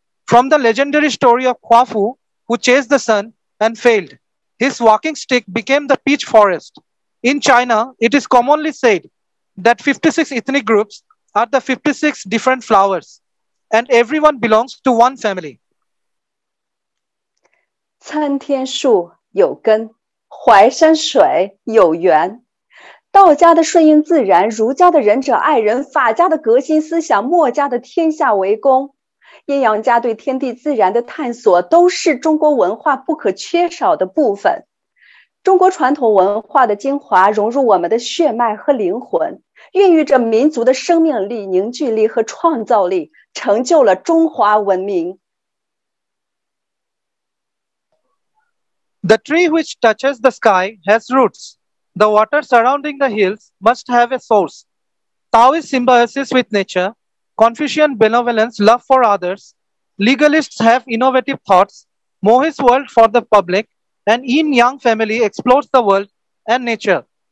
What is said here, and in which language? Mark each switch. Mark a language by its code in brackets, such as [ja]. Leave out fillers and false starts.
[en] From the legendary story of Hua Fu, who chased the sun and failed, his walking stick became the peach forest. In China, it is commonly said that 56 ethnic groups are the 56 different flowers, and everyone belongs to one family. [zh] 参天树有根，淮山水有源。道家的顺应自然，儒家的仁者爱人，法家的革新思想，墨家的天下为公。阴阳家对天地自然的探索，都是中国文化不可缺少的部分。中国传统文化的精华融入我们的血脉和灵魂，孕育着民族的生命力、凝聚力和创造力，成就了中华文明。 [en] The tree which touches the sky has roots. The water surrounding the hills must have a source. Taoist symbiosis with nature. Confucian benevolence, love for others, legalists have innovative thoughts, Mohist world for the public, and yin-yang family explores the world and nature.